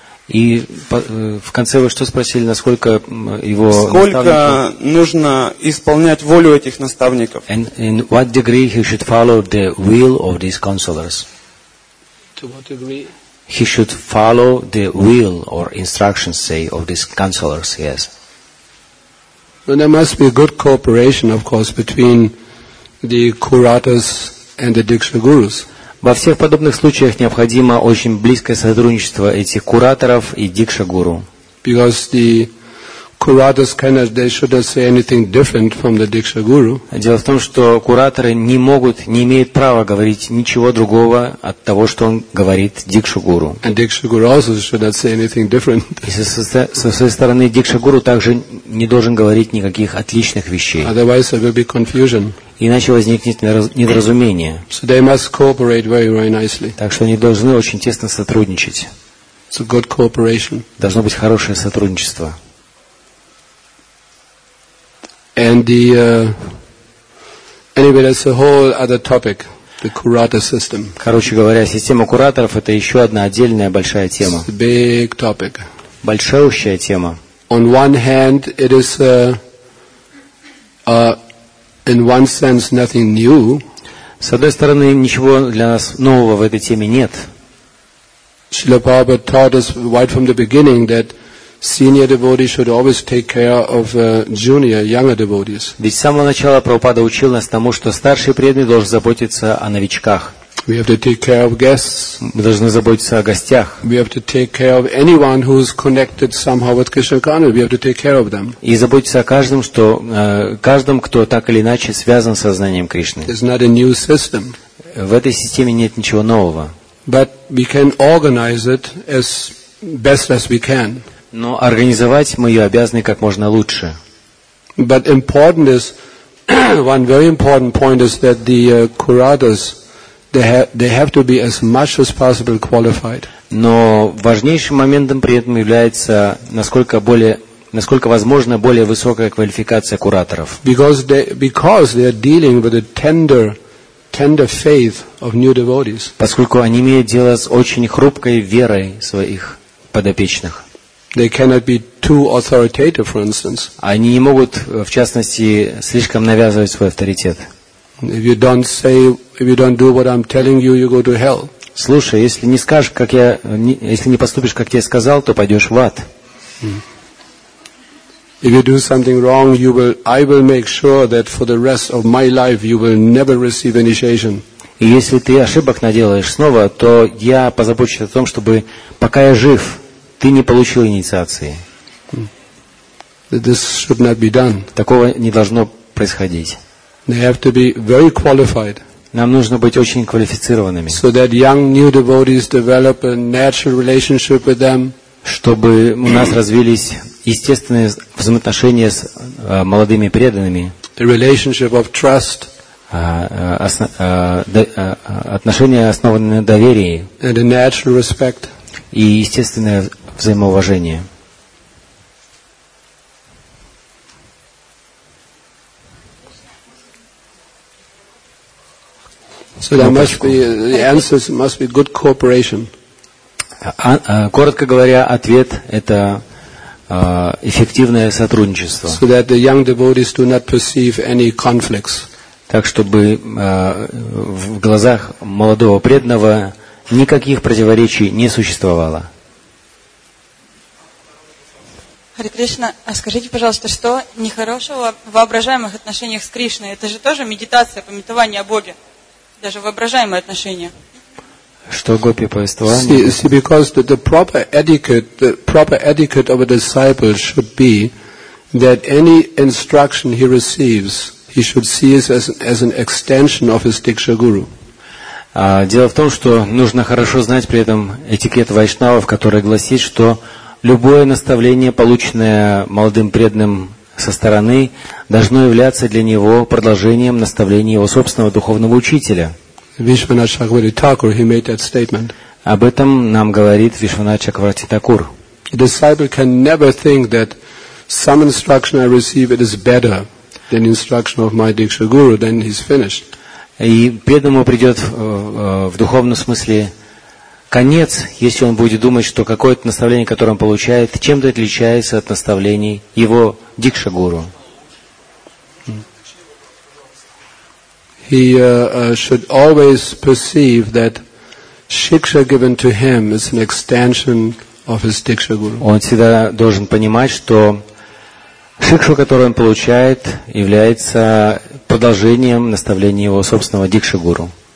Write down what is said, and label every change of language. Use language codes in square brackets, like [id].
[ru] И в конце вы что спросили, насколько его сколько нужно исполнять волю этих наставников? [en] And in what degree he should follow the will of these counselors? To what degree? He should follow the will or instructions, say, of these counselors, yes. Well, there must be a good cooperation, of course, between the curators and the Diksha Gurus. [ru] Во всех подобных случаях необходимо очень близкое сотрудничество этих кураторов и Дикша Гуру. [en] Because the curators cannot, they should not say anything different from the Diksha Guru. [ru] Дело в том, что кураторы не могут, не имеют права говорить ничего другого от того, что он говорит Дикша Гуру. [en] And Diksha Guru also should not say anything different. [ru] И со своей стороны Дикша Гуру также не должен говорить никаких отличных вещей. [en] Otherwise there will be confusion. [ru] Иначе возникнет недоразумение. [en] So they must cooperate very, very nicely. [ru] Так что они должны очень тесно сотрудничать. [en] It's a good cooperation. [ru] Должно быть хорошее сотрудничество. [en] And the anyway, that's a whole other topic, the curator system. [ru] Короче говоря, система кураторов это еще одна отдельная большая тема. [en] It's a big topic. [ru] Большущая тема. [en] On one hand, it is in one sense nothing new. [ru] С одной стороны, ничего для нас нового в этой теме нет. [en] Srila Prabhupada taught us right from the beginning that senior devotees should always take care of junior, younger devotees. [ru] Ведь с самого начала Прабхупада учил нас тому, что старший преданный должен заботиться о новичках. [en] We have to take care of guests. [ru] Мы должны заботиться о гостях. [en] We have to take care of anyone who is connected somehow with Krishna Consciousness. We have to take care of them. [ru] И заботиться о каждом, что каждом, кто так или иначе связан с сознанием Кришны. [en] There's not a new system. [ru] В этой системе нет ничего нового. [en] But we can organize it as best as we can. [ru] Но организовать мы ее обязаны как можно лучше. [en] But important is one very important point is that the curators they have to be as much as possible qualified. [ru] Но важнейшим моментом при этом является насколько возможно более высокая квалификация кураторов. [en] Because they are dealing with a tender faith of new devotees. [ru] Поскольку они имеют дело с очень хрупкой верой своих подопечных. [en] They cannot be too authoritative, for instance. [ru] Они не могут, в частности, слишком навязывать свой авторитет. [en] If you don't do what I'm telling you, you go to hell. [ru] Слушай, если не скажешь, как я, если не поступишь, как я сказал, то пойдешь в ад. [en] If you do something wrong, I will make sure that for the rest of my life you will never receive initiation. [ru] И если ты ошибок наделаешь снова, то я позабочусь о том, чтобы пока я жив, ты не получил инициации. [en] This should not be done. [ru] Такого не должно происходить. [en] They have to be very qualified. [ru] Нам нужно быть очень квалифицированными. [en] So that young new devotees develop a natural relationship with them. [ru] Чтобы у нас развились естественные взаимоотношения с молодыми преданными. [en] The relationship of trust. [ru] Отношения, основанные на доверии. [en] And a natural respect. [ru] И естественное взаимоуважение. [en] So there must be the answers must be good cooperation. [ru] Коротко говоря, ответ это эффективное сотрудничество. [en] So that the young devotees do not perceive any conflicts. [ru] Так чтобы в глазах молодого преданного никаких противоречий не существовало. Харе Кришна, а скажите, пожалуйста, что нехорошего в воображаемых отношениях с Кришной? Это же тоже медитация, памятование о Боге. Даже воображаемые отношения. Что гопи повествовали? [en] See, because the proper etiquette of a disciple should be that any instruction he receives, he should see it as an extension of his Diksha Guru. [ru] Дело в том, что нужно хорошо знать при этом этикет вайшнавов, который гласит, что любое наставление, полученное молодым преданным со стороны, должно являться для него продолжением наставления его собственного духовного учителя. [en] Вишванат Чакраварти Такур, he made that statement. [ru] Об этом нам говорит Вишванат Чакраварти Такур. [en] A disciple can never think that some instruction I receive it is better than instruction of my Diksha Guru, then he's finished. [ru] И преданному придет в духовном смысле конец, если он будет думать, что какое-то наставление, которое он получает, чем-то отличается от наставлений его дикша-гуру. [en] He should always perceive that shiksha given to him is an extension of his dikshaguru. [ru] Он всегда должен понимать, что шикшу, которую он получает, является продолжением наставления его собственного дикша-гуру.